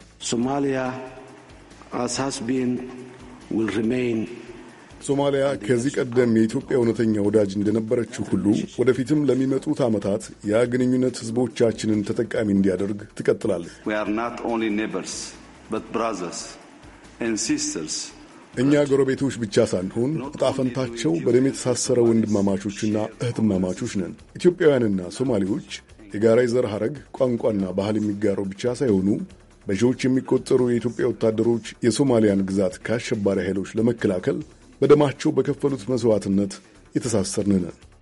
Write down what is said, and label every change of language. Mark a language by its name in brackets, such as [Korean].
[English] ሶማሊያ as has been will remain [Amharic] ሶማሊያ ከዚህ ቀደም የኢትዮጵያ እውነተኛ ወዳጅ እንደነበረችው ሁሉ ወደፊትም ለሚመጡት ዓመታት ያ ግንኙነት ህዝቦቻችንን ተጠቃሚ እንዲያደርግ ትቀጥላለች። [English] We are not only neighbors but brothers and sisters [Amharic] እኛ ጎረቤቶች ብቻ ሳንሆን ጣፈንታቸው በደም የተሳሰረ ወንድማማቾችና እህትማማቾች ነን። ኢትዮጵያውያንና ሶማሌዎች የጋራ ዘር ሐረግ፣ ቋንቋና ባህል የሚጋሩ ብቻ ሳይሆኑ በጆች የሚቆጠሩ የኢትዮጵያ ወታደሮች የሶማሊያን ግዛት ከአሸባሪ ኃይሎች ለመከላከል በደማቸው በከፈሉት መስዋዕትነት የተሳሰርን ነን።